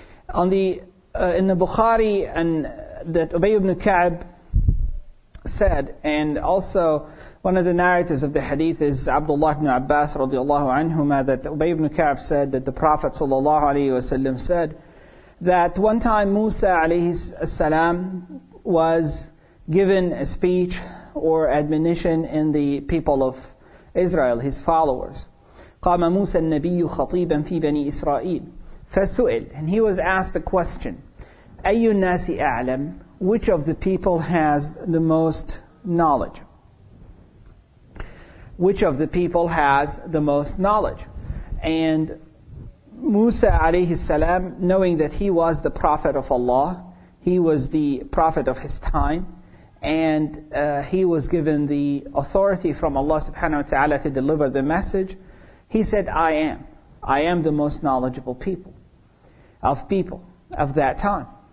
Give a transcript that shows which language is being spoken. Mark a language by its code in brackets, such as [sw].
[en] On the in the Bukhari, and that Ubay ibn Ka'b said, and also one of the narrators of the hadith is Abdullah ibn Abbas radiallahu anhuma, that Ubay ibn Ka'b said that the Prophet sallallahu alayhi wa sallam said that one time Musa alayhi salam was given a speech or admonition in the people of Israel, his followers. [ar] قام موسى النبي خطيبا في بني إسرائيل فسئل, [en] and he was asked a question. [ar] أي الناس أعلم, [en] which of the people has the most knowledge? Which of the people has the most knowledge? And موسى عليه السلام, knowing that he was the prophet of Allah, he was the prophet of his time, and he was given the authority from Allah subhanahu wa ta'ala to deliver the message, he said, I am the most knowledgeable people of that time.